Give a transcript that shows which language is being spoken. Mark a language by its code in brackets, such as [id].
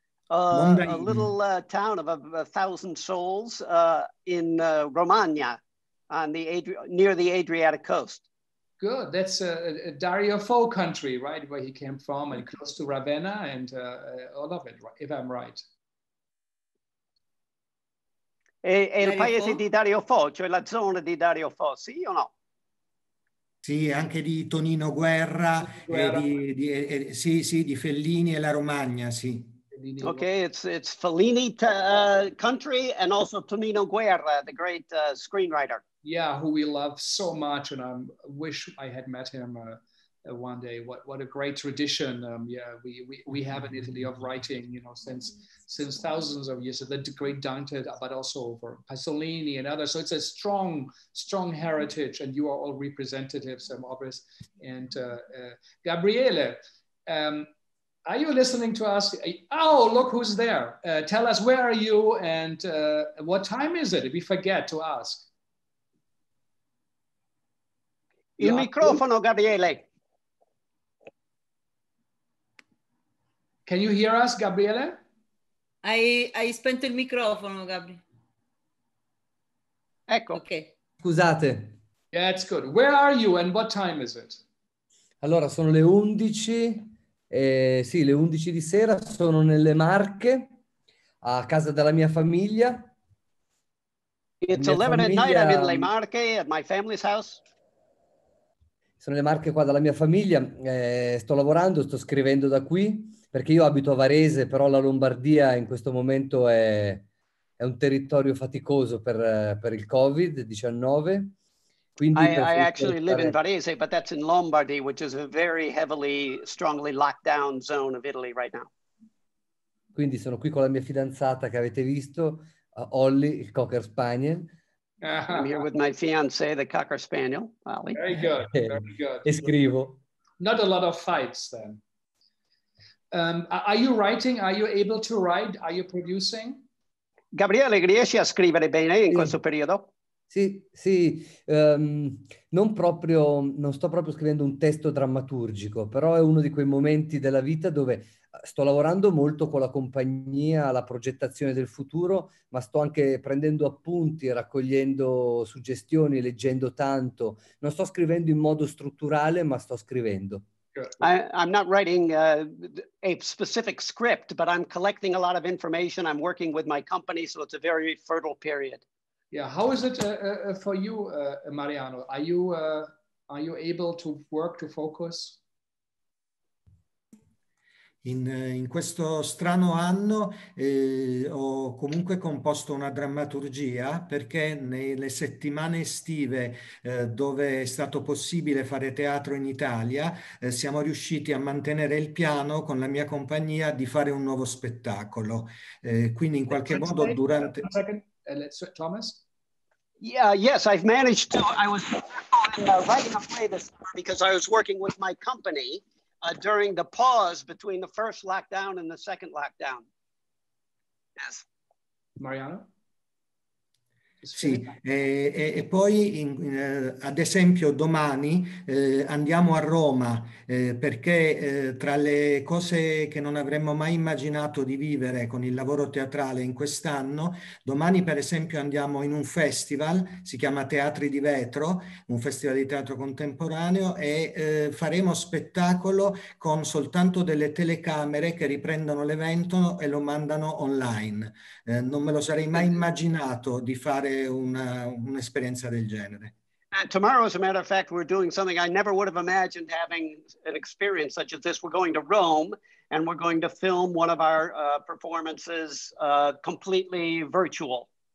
[en] A little town of 1,000 souls in Romagna, on the near the Adriatic coast. Good. That's a Dario Fo country, right, where he came from, and close to Ravenna and all of it, if I'm right. [it] E il paese di Dario Fo, cioè la zona di Dario Fo, sì o no? Sì, anche di Tonino Guerra, di Fellini e la Romagna, sì. [en] Okay, it's Fellini country and also Tonino Guerra, the great screenwriter. Yeah, who we love so much, and I wish I had met him one day. What a great tradition we have in Italy of writing, you know, since thousands of years, the great Dante, but also for Pasolini and others. So it's a strong heritage, and you are all representatives and others. And Gabriele, are you listening to us? Oh, look who's there. Tell us, where are you, and what time is it? We forget to ask. [it] Il microfono, Gabriele. [en] Can you hear us, Gabriele? [it] I spento il microfono, Gabri. Ecco. [en] Okay. [it] Scusate. [en] Yeah, it's good. Where are you and what time is it? [it] Allora, sono le 11. Sì, le 11 di sera. Sono nelle Marche, a casa della mia famiglia. [en] It's 11 at night. I'm in Le Marche at my family's house. [it] Sono le Marche qua dalla mia famiglia. Sto lavorando, sto scrivendo da qui. Perché io abito a Varese, però la Lombardia in questo momento è un territorio faticoso per il Covid-19. Quindi [en] I actually live in Varese, but that's in Lombardy, which is a very heavily, strongly locked down zone of Italy right now. [it] Quindi sono qui con la mia fidanzata che avete visto, Holly, il Cocker Spaniel. [en] I'm here with my fiancé, the Cocker Spaniel, Holly. Very good, very good. [it] E scrivo. [en] Not a lot of fights then. Are you writing? Are you able to write? Are you producing? [it] Gabriele, riesci a scrivere bene in questo periodo? Sì, sì. Non proprio, non sto proprio scrivendo un testo drammaturgico, però è uno di quei momenti della vita dove sto lavorando molto con la compagnia alla progettazione del futuro, ma sto anche prendendo appunti, raccogliendo suggestioni, leggendo tanto. Non sto scrivendo in modo strutturale, ma sto scrivendo. [en] I'm not writing a specific script, but I'm collecting a lot of information. I'm working with my company, so it's a very fertile period. Yeah, how is it for you, Mariano? Are you able to work, to focus? [it] In questo strano anno ho comunque composto una drammaturgia, perché nelle settimane estive dove è stato possibile fare teatro in Italia siamo riusciti a mantenere il piano con la mia compagnia di fare un nuovo spettacolo. Quindi in qualche modo durante... [en] Thomas? Yes, I've managed to... I was writing a play this summer because I was working with my company during the pause between the first lockdown and the second lockdown. Yes. Mariano? [it] Sì, e poi ad esempio domani andiamo a Roma perché tra le cose che non avremmo mai immaginato di vivere con il lavoro teatrale in quest'anno, domani per esempio andiamo in un festival, si chiama Teatri di Vetro, un festival di teatro contemporaneo, e faremo spettacolo con soltanto delle telecamere che riprendono l'evento e lo mandano online. Non me lo sarei mai immaginato di fare un'esperienza del genere. [en] And tomorrow, as a matter of fact, we're doing something I never would have imagined, having an experience such as this. We're going to Rome and we're going to film one of our performances completely virtual.